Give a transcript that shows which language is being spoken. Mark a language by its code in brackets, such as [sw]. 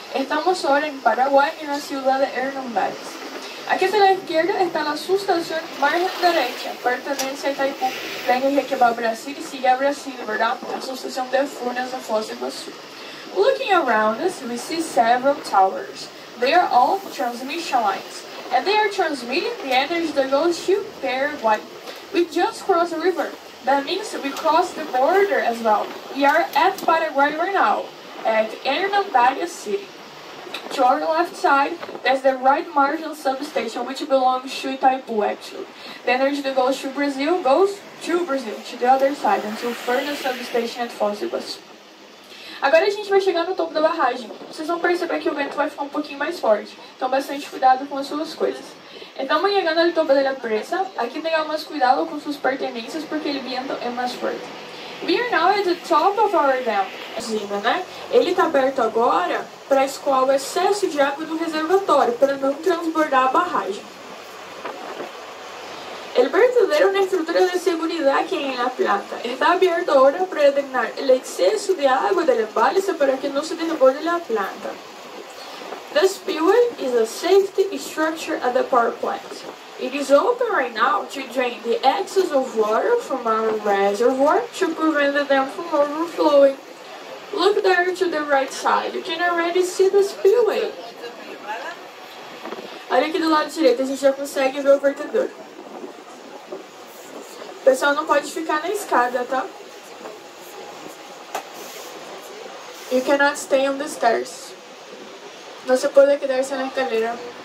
[es] Estamos ahora en Paraguay, en la ciudad de Hernández. Aquí a la izquierda está la sustación margen derecha, pertenece a Itaipu, la energía que va a Brasil y sigue a Brasil, ¿verdad? La sustación de Furnas a Foz de Iguaçu. [en] Looking around us, we see several towers. They are all transmission lines, and they are transmitting the energy that goes to Paraguay. We just crossed a river. That means we crossed the border as well. We are at Paraguay right now, at Hernandarias City. To our left side, there's the right margin substation, which belongs to Itaipu, actually. The energy that goes to Brazil, to the other side, until Furnas substation at Foz do Iguaçu. [pt] Agora a gente vai chegar no topo da barragem. Vocês vão perceber que o vento vai ficar um pouquinho mais forte. Então bastante cuidado com as suas coisas. Estamos chegando ao topo da presa. Aqui tem que ter cuidado com suas pertenências porque o vento é mais forte. [en] We are now at the top of our dam. [pt] Zina, né? Ele está aberto agora para escoar o excesso de água do reservatório para não transbordar a barragem. [es] El vertedero es una estructura de seguridad que hay en La Plata. Está abierto ahora para drenar el exceso de agua del embalse para que no se desborde la planta. [en] The spillway is a safety structure at the power plant. It is open right now to drain the excess of water from our reservoir to prevent the dam from overflowing. Look there to the right side. You can already see the spillway. [pt] Olha aqui do lado direito, a gente já consegue ver o vertedor. O pessoal não pode ficar na escada, tá? [en] You cannot stay on the stairs. [pt] Você pode quedar sem a escalera.